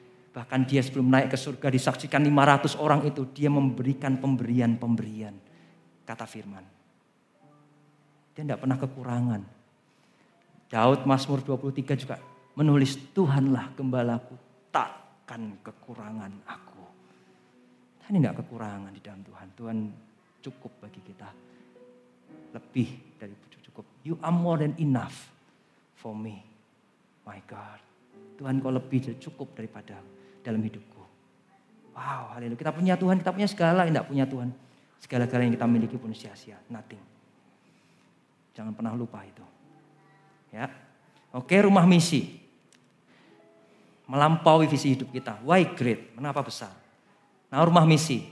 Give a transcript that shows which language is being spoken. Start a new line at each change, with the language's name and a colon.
Indonesian: Bahkan Dia sebelum naik ke surga disaksikan 500 orang itu, Dia memberikan pemberian-pemberian. Kata firman. Dia tidak pernah kekurangan. Daud Mazmur 23 juga menulis, Tuhanlah gembalaku, takkan kekurangan aku. Tuhan tidak kekurangan di dalam Tuhan. Tuhan cukup bagi kita. Lebih dari cukup.
English: You are more than enough for me, my God.
Indonesian: Tuhan kau lebih dari cukup daripada dalam hidupku. Wow, haleluya. Kita punya Tuhan, kita punya segala yang tidak punya Tuhan. Segala-gala yang kita miliki pun sia-sia, nothing. Jangan pernah lupa itu. Ya. Oke, rumah misi. Melampaui visi hidup kita.
English: Why great?
Indonesian: Kenapa besar? Nah, rumah misi.